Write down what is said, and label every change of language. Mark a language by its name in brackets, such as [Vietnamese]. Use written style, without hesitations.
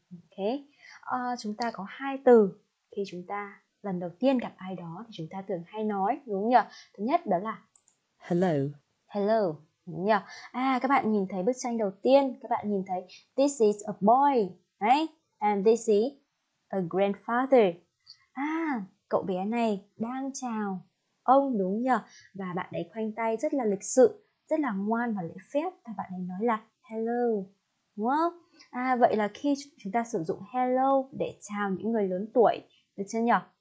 [Vietnamese] Ok, chúng ta có hai từ. Khi chúng ta lần đầu tiên gặp ai đó thì chúng ta thường hay nói, đúng nhỉ? Thứ nhất đó là [English] Hello. [Vietnamese] hello, đúng nhỉ? À, các bạn nhìn thấy bức tranh đầu tiên, các bạn nhìn thấy [English] this is a boy, right? And this is a grandfather. [Vietnamese] À, cậu bé này đang chào ông, đúng nhỉ? Và bạn ấy khoanh tay rất là lịch sự, rất là ngoan và lễ phép, và bạn ấy nói là hello, đúng không? À, vậy là khi chúng ta sử dụng hello để chào những người lớn tuổi, được chưa nhỉ?